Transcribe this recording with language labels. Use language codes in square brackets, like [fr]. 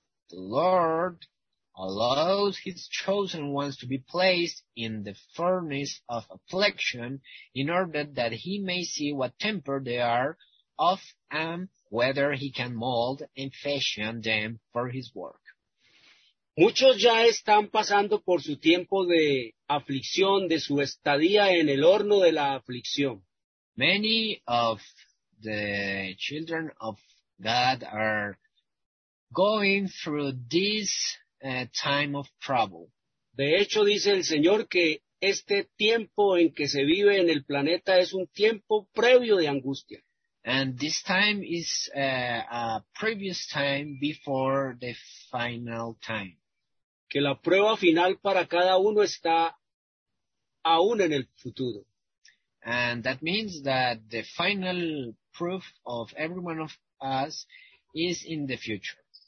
[en] The Lord allows his chosen ones to be placed in the furnace of affliction in order that he may see what temper they are of and whether he can mold and fashion them for his work. [es] Muchos ya están pasando por su tiempo de aflicción, de su estadía en el horno de la aflicción. [en] Many of the children of God are going through this time of trouble. [es] De hecho, dice el Señor que este tiempo en que se vive en el planeta es un tiempo previo de angustia. [en] And this time is a previous time before the final time. [es] Que la prueba final para cada uno está aún en el futuro. [en] And that means that the final proof of every one of us is in the future.